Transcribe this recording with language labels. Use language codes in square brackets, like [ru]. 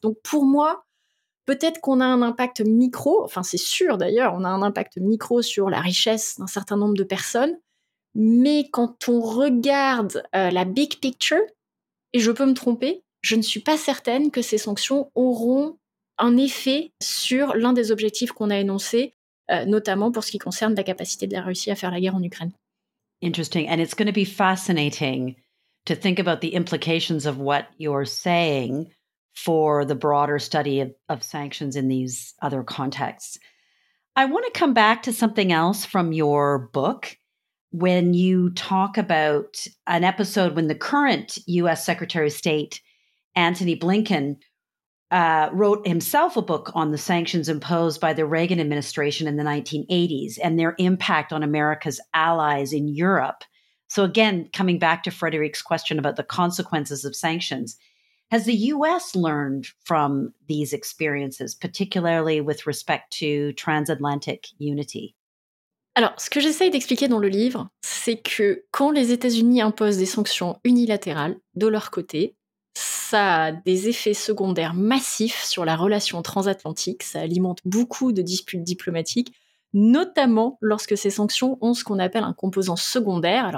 [fr] Donc pour moi, peut-être qu'on a un impact micro, enfin c'est sûr d'ailleurs, on a un impact micro sur la richesse d'un certain nombre de personnes, mais quand on regarde la big picture, et je peux me tromper, je ne suis pas certaine que ces sanctions auront un effet sur l'un des objectifs qu'on a énoncés, notamment pour ce qui concerne la capacité de la Russie à faire la guerre en Ukraine. [en] Interesting. And it's going to be fascinating to think about the implications of what you're saying for the broader study of sanctions in these other contexts. I want to come back to something else from your book when you talk about an episode when the current U.S. Secretary of State, Antony Blinken, wrote himself a book on the sanctions imposed by the Reagan administration in the 1980s and their impact on America's allies in Europe, So again, coming back to Frederick's question about the consequences of sanctions, has the U.S. learned from these experiences, particularly with respect to transatlantic unity? [fr] Alors, ce que j'essaye d'expliquer dans le livre, c'est que quand les États-Unis imposent des sanctions unilatérales de leur côté, ça a des effets secondaires massifs sur la relation transatlantique, ça alimente beaucoup de disputes diplomatiques, notamment lorsque ces sanctions ont ce qu'on appelle un composant secondaire.